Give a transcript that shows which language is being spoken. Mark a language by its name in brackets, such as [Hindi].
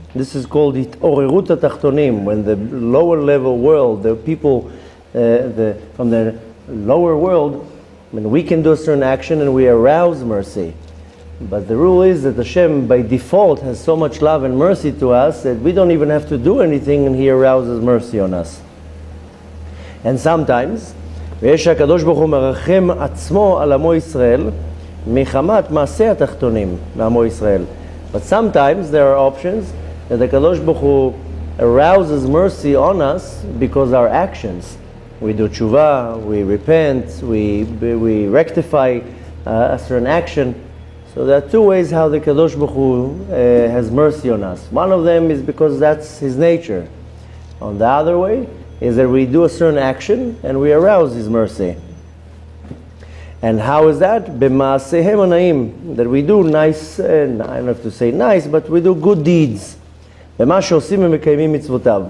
[English] This is called Itorerut HaTachtonim, when the lower level world, the people from the lower world, when we can do a certain action and we arouse mercy. But the rule is that Hashem, by default, has so much love and mercy to us that we don't even have to do anything and He arouses mercy on us. And sometimes, [Hebrew] ויש הקדוש ברוך הוא מרחם עצמו על עמו ישראל מחמת מעשי התחתונים לעמו ישראל. [English] But sometimes there are options that the Kadosh Baruch Hu arouses mercy on us because our actions. We do tshuva, we repent, we rectify a certain action. So there are two ways how the Kadosh Baruch Hu has mercy on us. One of them is because that's His nature. On the other way is that we do a certain action and we arouse His mercy. And how is that? B'maasehem anayim, that we do nice, I don't have to say nice, but we do good deeds. [Hebrew] ומה שעושים ומקיימים מצוותיו.